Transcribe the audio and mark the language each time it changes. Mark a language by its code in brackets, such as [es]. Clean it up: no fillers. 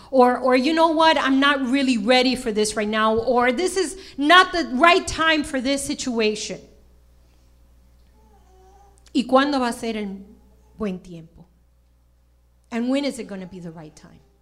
[en] Or you know what, I'm not really ready for this right now. Or this is not the right time for this situation. [es] ¿Y cuándo va a ser el buen tiempo? And when is it going to be the right time?